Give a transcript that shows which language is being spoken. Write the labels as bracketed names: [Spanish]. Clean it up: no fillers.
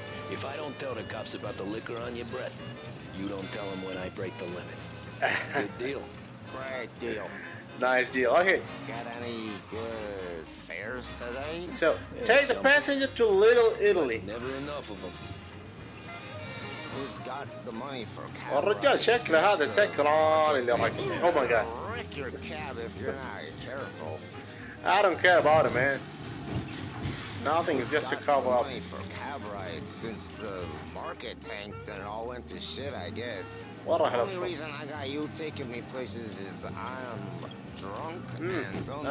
[English] If I don't tell the cops about the liquor on your breath, you don't tell them when I break the limit. Good deal. Great deal. Nice deal. Okay. Got any good fares today? So, take the passenger to Little Italy. Never enough of them. Who's got the money for a cab? [Arabic] الرجال شكله هذا سكران اللي راكب. [English] Oh my god. Wreck your cab if you're not careful. I don't care about it, man. Nothing is just a cover up. Money for cab rides since the market tanked and all went to shit, I guess. What the only reason I got you taking me places is I'm drunk and don't know.